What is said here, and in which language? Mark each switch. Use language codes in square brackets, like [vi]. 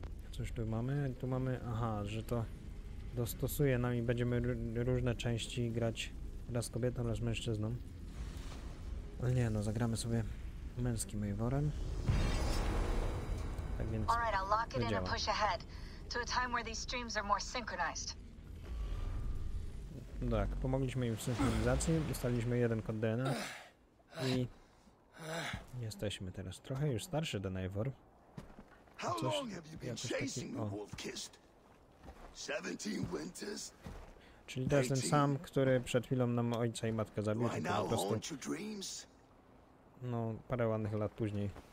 [pl] Coś tu mamy? Tu mamy... Aha, że to dostosuje nam i będziemy różne części grać raz kobietą, raz mężczyzną. Ale nie, no zagramy sobie męskim Eivorem. Tak więc. [en] All right, I'll lock it in and push ahead to a time where these streams are more synchronized. [pl] Tak, pomogliśmy im w synchronizacji, ustaliliśmy jeden kod DNA i jesteśmy teraz trochę już starszy do Eivor. [en] How long have you been chasing the Wolfkissed? 17 winters. [pl] Czyli to jest ten sam, który przed chwilą nam ojca i matkę zabił, tylko po prostu... No, parę ładnych lat później.